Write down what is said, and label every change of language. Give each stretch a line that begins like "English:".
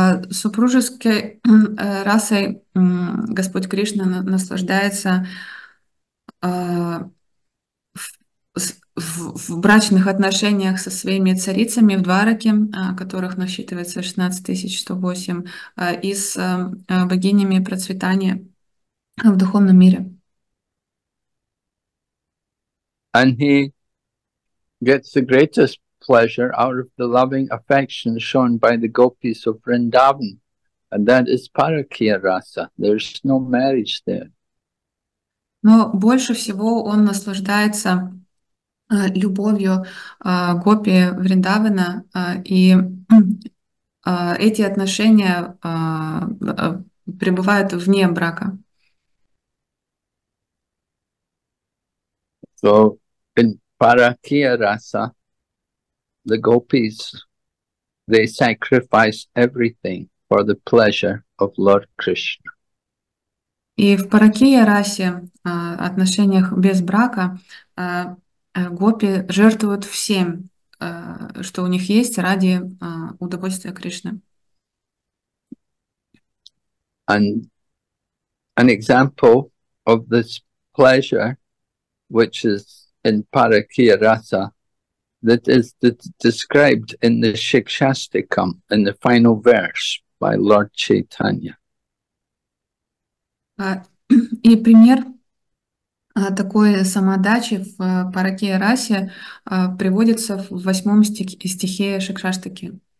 Russian: Супружеской расой Господь Кришна наслаждается в брачных отношениях со своими царицами в Двараке, которых насчитывается 16108, и с богинями процветания в духовном мире.
English: And he gets the greatest pleasure out of the loving affection shown by the gopis of Vrindavan, and that is Parakya rasa. There's no marriage there.
Russian: Но больше всего он наслаждается любовью гопи Вриндавана, и эти отношения пребывают вне брака.
English: So in Parakya rasa, the gopis, they sacrifice everything for the pleasure of Lord Krishna.
Russian: И в Паракия расе, отношениях без брака, гопи жертвуют всем, что у них есть, ради удовольствия Кришны.
English: And an example of this pleasure, which is in Parakya rasa, that is described in the Shikshastikam, in the final verse by Lord Chaitanya.
Russian: И пример такой самоотдачи в Паракия расе приводится в 8 стихе Шикшаштики.